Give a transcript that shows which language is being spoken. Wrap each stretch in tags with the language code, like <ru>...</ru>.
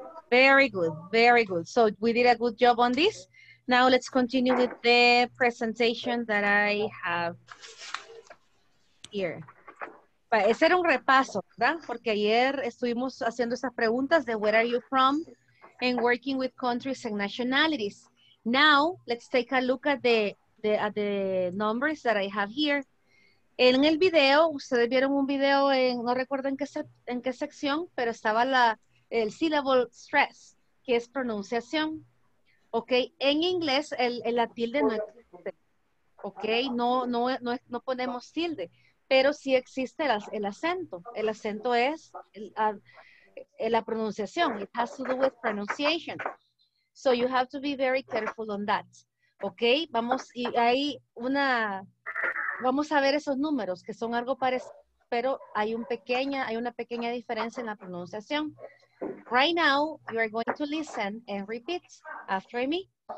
<en>Very good, very good. So we did a good job on this. Now let's continue with the presentation that I have here.</en> <es>Para hacer un repaso, ¿verdad? Porque ayer estuvimos haciendo esas preguntas de</es> <en>where are you from and working with countries and nationalities. Now let's take a look at the numbers that I have here.</en> <es>En el video, ustedes vieron un video en, no recuerdo en qué sección, pero estaba el syllable stress, que es pronunciación. Ok, en inglés el tilde no existe. Ok, no ponemos tilde, pero sí existe el acento. El acento es la pronunciación.</es> <en>It has to do with pronunciation. So you have to be very careful on that.</en> <es>Ok, vamos, y hay una... Vamos a ver esos números que son algo parecido, pero hay una pequeña diferencia en la pronunciación.</es> <en>Right now, you are going to listen and repeat after me.</en>